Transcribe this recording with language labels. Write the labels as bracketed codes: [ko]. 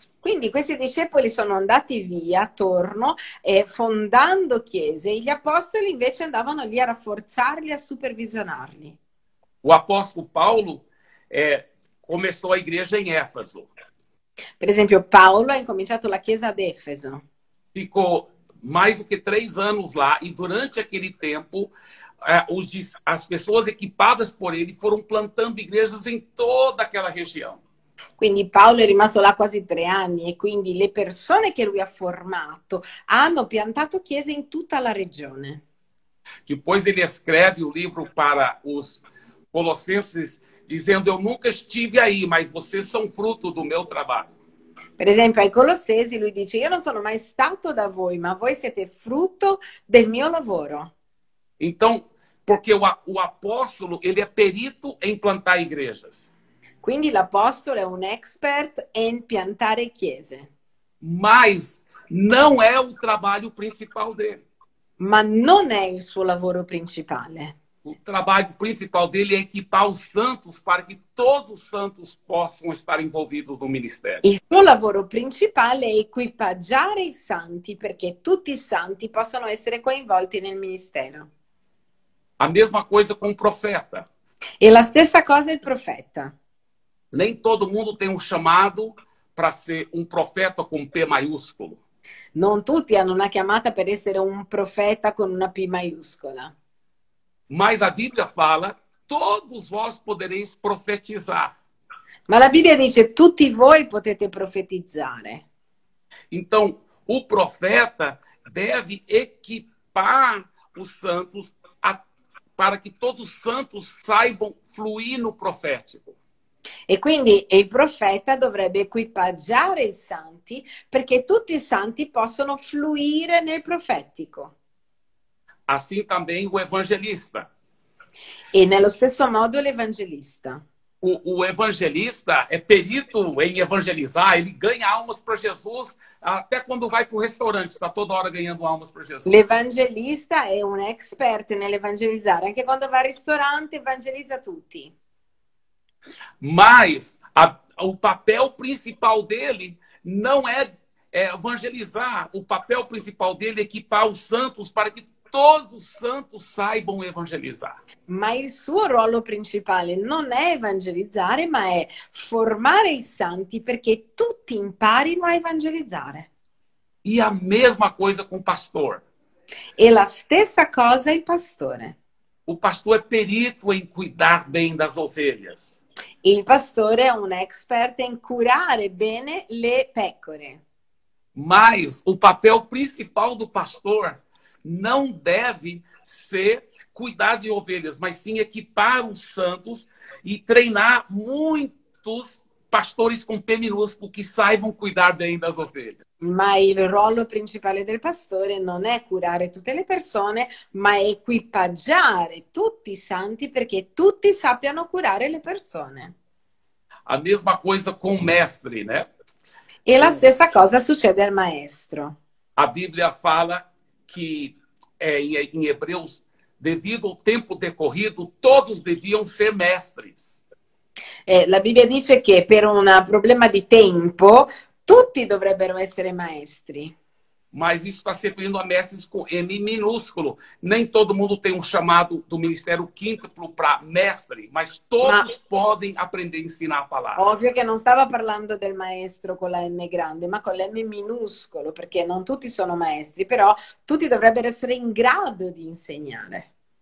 [it] Quindi questi discepoli sono andati via, attorno, fondando chiese, e gli apostoli invece andavano lì a rafforzarli, a supervisionarli. [pt] O apóstolo Paulo começou a igreja em Éfeso. [it] Per esempio, Paolo ha incominciato la chiesa ad Efeso. [pt] Ficou mais do que 3 anos lá, e durante aquele tempo, as pessoas equipadas por ele foram plantando igrejas em toda aquela região. [it] Quindi Paolo è rimasto là quasi 3 anni e quindi le persone che lui ha formato hanno piantato chiese in tutta la regione. [pt] Depois ele escreve o livro para os Colossenses, dizendo: eu nunca estive aí, mas vocês são fruto do meu trabalho. [it] Per esempio, ai Colossesi lui dice: io non sono mai stato da voi, ma voi siete frutto del mio lavoro. [pt] Então, porque o apóstolo, ele é perito em plantar igrejas. [it] Quindi l'apostolo è un expert in piantare chiese. [pt] Mas não è o trabalho principal dele. [it] Ma non è il suo lavoro principale. [pt] O trabalho principal dele é equipar os santos para que todos os santos possam estar envolvidos no ministério. [it] Il suo lavoro principale è equipaggiare i santi perché tutti i santi possano essere coinvolti nel ministero. [pt] A mesma coisa com o profeta. [it] E la stessa cosa il profeta. [pt] Nem todo mundo tem um chamado para ser um profeta com P maiúsculo. [it] Non tutti hanno una chiamata per essere un profeta con una P maiuscola. [pt] Mas a Bíblia fala: todos vós podereis profetizar. [it] Ma la Bibbia dice tutti voi potete profetizzare. [pt] Então, o profeta deve equipar os santos para que todos os santos saibam fluir no profético. [it] E quindi il profeta dovrebbe equipaggiare i santi perché tutti i santi possono fluire nel profetico. [pt] Assim também o evangelista. [it] E nello stesso modo l'evangelista. [pt] O evangelista é perito em evangelizar, ele ganha almas para Jesus, até quando vai para o restaurante, está toda hora ganhando almas para Jesus. [it] L'evangelista è un expert nell'evangelizzare, anche quando va al ristorante evangelizza tutti. [pt] Mas o papel principal dele não é evangelizar, o papel principal dele é equipar os santos para que todos os santos saibam evangelizar. [it] Ma il suo ruolo principale non è evangelizzare, ma è formare i santi perché tutti imparino a evangelizzare. [pt] E a mesma coisa com o pastor. [it] E la stessa cosa il pastore. [pt] O pastor é perito em cuidar bem das ovelhas. [it] Il pastore è un expert in curare bene le pecore. [pt] Mas o papel principal do pastor não deve ser cuidar de ovelhas, mas sim equipar os santos e treinar muitos pastores com P minúsculo que saibam cuidar bem das ovelhas. [it] Ma il ruolo principale del pastore non è curare tutte le persone, ma equipaggiare tutti i santi perché tutti sappiano curare le persone. [pt] A mesma coisa com o mestre, né? [it] E la stessa cosa succede al maestro. [pt] A Bíblia fala que em Hebreus, devido ao tempo decorrido, todos deviam ser mestres. [it] La Bibbia dice che per un problema di tempo tutti dovrebbero essere maestri. [pt] Mas isso está se referindo a mestres com M minúsculo. Nem todo mundo tem um chamado do ministério quíntuplo para mestre, mas [it] Ma [pt] todos podem aprender e ensinar a palavra. [it] ovvio che non stava parlando del maestro con la M grande, ma con la M minuscolo, perché non tutti sono maestri, però tutti dovrebbero essere in grado di insegnare.